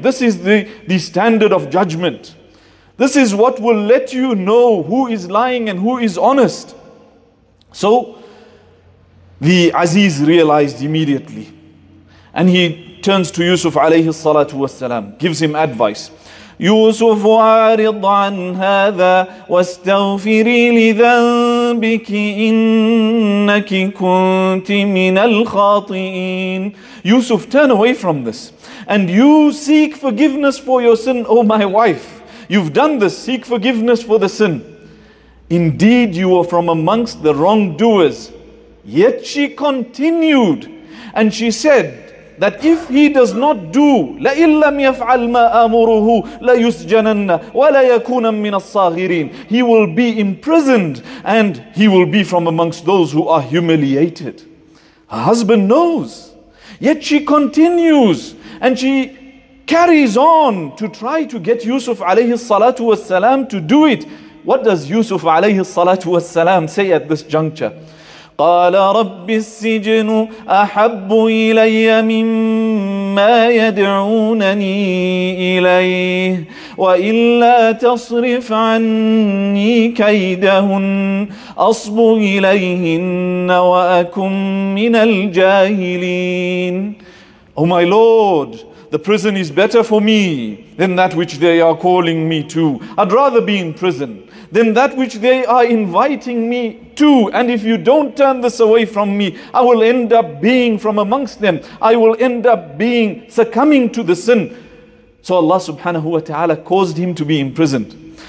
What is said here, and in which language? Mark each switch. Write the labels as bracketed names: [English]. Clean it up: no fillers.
[English] This is the standard of judgment. This is what will let you know who is lying and who is honest. So the Aziz realized immediately. And he turns to Yusuf alayhi salatu wassalam, gives him advice. [Arabic] يوسف أعرض عن هذا واستغفري لذنبك إنك كنت من الخاطئين. [English] Yusuf, turn away from this and you seek forgiveness for your sin. Oh my wife, you've done this, seek forgiveness for the sin. Indeed, you were from amongst the wrongdoers. Yet she continued and she said that if he does not do, [Arabic] لَإِنْ لَمْ يَفْعَلْ مَا أَمُرُهُ لَيُسْجَنَنَّ وَلَا يَكُونَ مِنَ الصَّاغِرِينَ. [English] He will be imprisoned and he will be from amongst those who are humiliated. Her husband knows. Yet she continues and she carries on to try to get Yusuf alayhi salatu wasalam to do it. What does Yusuf alayhi salatu wasalam say at this juncture? [Arabic] قال رب السجن أحب إلي مما يدعونني إليه وإلا تصرف عني كيدهن أصب إليهن وأكن من الجاهلين. [English] Oh my Lord, the prison is better for me than that which they are calling me to. I'd rather be in prison than that which they are inviting me to. And if you don't turn this away from me, I will end up being from amongst them. I will end up being succumbing to the sin. So Allah subhanahu wa ta'ala caused him to be imprisoned.